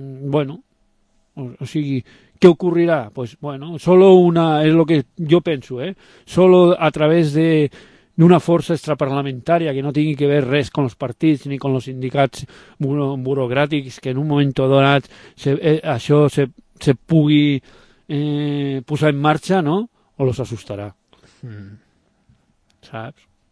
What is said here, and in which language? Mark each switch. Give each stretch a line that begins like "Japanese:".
Catalan: Bueno, o sigui, què ocorrirà?
Spanish: Pues bueno, solo una, es lo que yo penso, ¿eh?
Catalan: Solo a través de una força extraparlamentària que no tingui que veure res amb els partits ni amb els sindicats burocràtics, que en un moment donat això se pugui posar en marxa, no? O los assustarà. Saps?